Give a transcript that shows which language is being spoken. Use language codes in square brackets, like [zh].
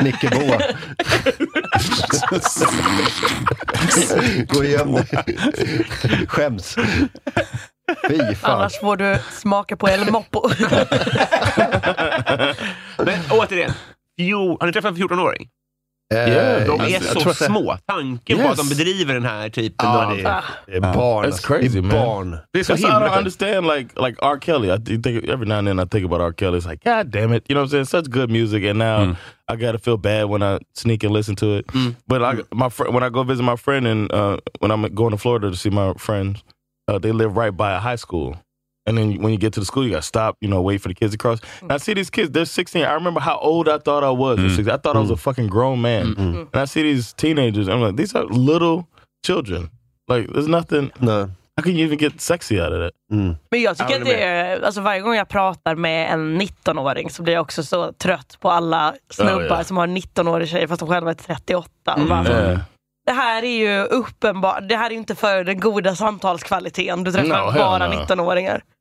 [sv] Snickerbo. Gå igen. Skäms. Fy fan. Annars får du smaka på El Moppo. Men återigen. Har ni träffat en 14-åring? De är så små. Tanken på att de bedriver den här typen av [en] barn. It's crazy, man. Because I don't understand like R. Kelly. Every now and then I think about R. Kelly. It's like, God damn it. You know what I'm saying? Such good music. And now I gotta feel bad when I sneak and listen to it. But when I go visit my friend and when I'm going to Florida to see my friends, they live right by a high school. And then when you get to the school, you gotta stop, you know, wait for the kids to cross. And I see these kids, they're 16. I remember how old I thought I was. I thought I was a fucking grown man. And I see these teenagers, and I'm like, these are little children. Like, there's nothing. No. How can you even get sexy out of that? [sv] Men jag tycker att det är, alltså varje gång jag pratar med en 19-åring så blir jag också så trött på alla snubbar som har 19-årig tjej fast de själva är 38. Det här är ju uppenbart. Det här är inte för den goda samtalskvaliteten. Du träffar bara 19-åringar.